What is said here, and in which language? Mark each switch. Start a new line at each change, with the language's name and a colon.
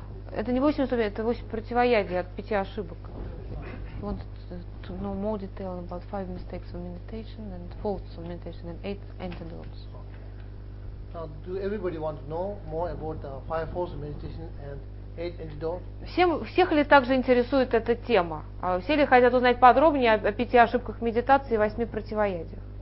Russian: Это не 8 ступеней, это 8 противоядий от 5 ошибок.
English: Want to know more detail about 5 mistakes of meditation and faults of meditation and 8 antidotes. Now, do everybody want to know more about the 5 faults of meditation and 8 antidotes?
Russian: Всех ли также интересует эта тема? Все ли хотят узнать подробнее о 5 ошибках медитации и 8 противоядиях?